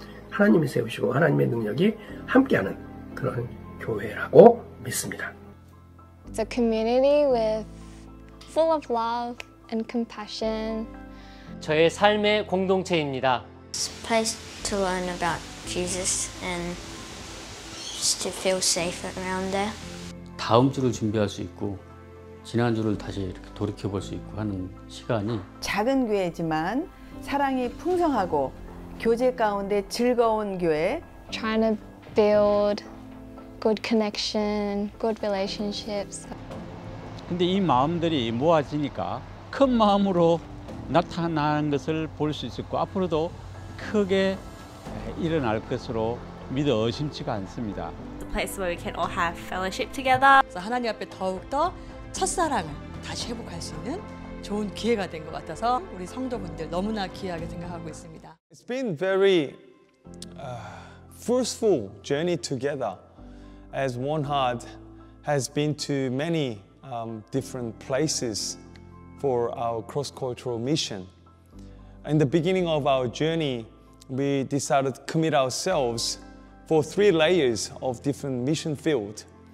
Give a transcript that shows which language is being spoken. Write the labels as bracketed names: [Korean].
[Korean] 하나님이 세우시고 하나님의 능력이 함께하는 그런 교회라고 믿습니다. [English] It's a community with full of love and compassion. [Korean] 저의 삶의 공동체입니다. [English] It's a place to learn about Jesus and just to feel safe around there. [Korean] 다음 주를 준비할 수 있고 지난 주를 다시 이렇게 돌이켜 볼 수 있고 하는 시간이 작은 교회지만 사랑이 풍성하고 교제 가운데 즐거운 교회. [English] Trying to build good connection, good relationships. [Korean] 근데 이 마음들이 모아지니까 큰 마음으로 나타나는 것을 볼 수 있고 앞으로도 크게 일어날 것으로 믿어 의심치가 않습니다. [English] The place where we can all have fellowship together. [Korean] 하나님 앞에 더욱더 첫사랑을 다시 회복할 수 있는 좋은 기회가 된 것 같아서 우리 성도분들 너무나 귀하게 생각하고 있습니다. [English] It's been very fruitful journey together as OneHeart has been to many different places for our cross-cultural mission. In the beginning of our journey, we decided to commit ourselves for three layers of different mission field.